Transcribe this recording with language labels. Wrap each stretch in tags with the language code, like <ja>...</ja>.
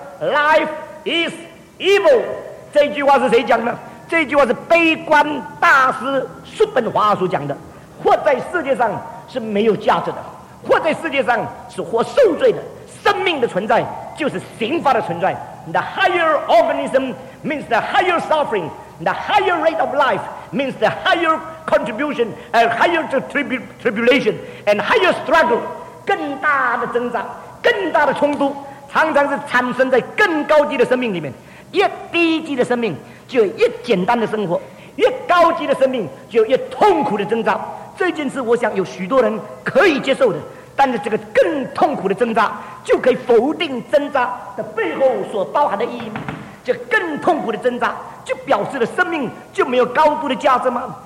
<en>Life is evil</en> <zh>这句话是谁讲的？这句话是悲观大师叔本华所讲的。活在世界上是没有价值的，活在世界上是活受罪的，生命的存在就是刑罚的存在。</zh> <en>The higher organism means the higher suffering, the higher rate of life means the higher contribution and higher tribulation and higher struggle,</en> <zh>更大的挣扎，更大的冲突，常常是产生在更高级的生命里面。越低级的生命就有越简单的生活，越高级的生命就有越痛苦的挣扎。这件事我想有许多人可以接受的，但是这个更痛苦的挣扎就可以否定挣扎的背后所包含的意义吗？这更痛苦的挣扎就表示了生命就没有高度的价值吗？</zh>